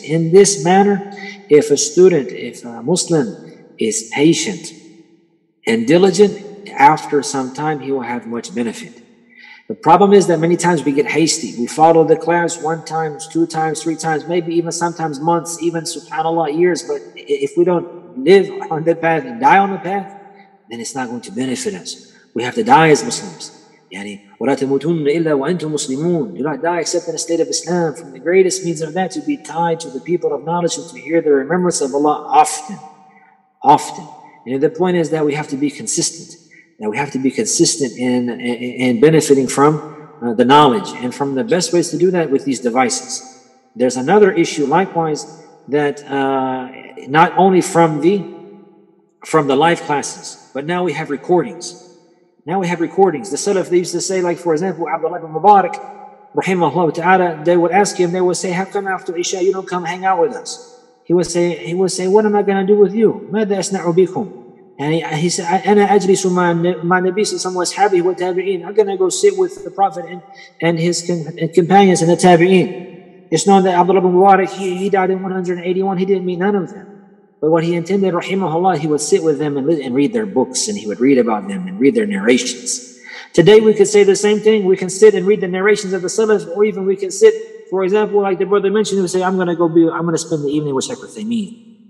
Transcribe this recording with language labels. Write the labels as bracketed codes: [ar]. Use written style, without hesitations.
[en] In this manner, if a student, if a Muslim is patient and diligent, after some time, he will have much benefit. The problem is that many times we get hasty. We follow the class one time, two times, three times, maybe even sometimes months, even subhanAllah, years. But if we don't live on the path and die on the path, then it's not going to benefit us. We have to die as Muslims. [ar] Yani, وَلَا تَمُوتُنَّ إِلَّا وَأَنْتُمْ مُسْلِمُونَ. [en] Do not die except in a state of Islam. From the greatest means of that, to be tied to the people of knowledge and to hear the remembrance of Allah often. Often. And the point is that we have to be consistent. That we have to be consistent in benefiting from the knowledge. And from the best ways to do that with these devices. There's another issue likewise that not only from the live classes, but now we have recordings. Now we have recordings. The Salaf, they used to say, like, for example, Abdullah ibn Mubarak, rahimahullah ta'ala, they would ask him, they would say, how come after Isha you don't come hang out with us? He would say, what am I going to do with you? [ar] ماذا أصنع بكم? And he said, أنا أجلس مع النبي صلى الله عليه وسلم وأصحابه والتابعين. [en] I'm going to go sit with the Prophet and his companions and the tabi'een. It's known that Abdullah ibn Mubarak, he died in 181. He didn't meet none of them. But what he intended, rahimahullah, he would sit with them and read their books, and he would read about them and read their narrations. Today we could say the same thing. We can sit and read the narrations of the Salaf, or even we can sit, for example, like the brother mentioned, who say, I'm going to spend the evening with Sheikh Uthaymeen.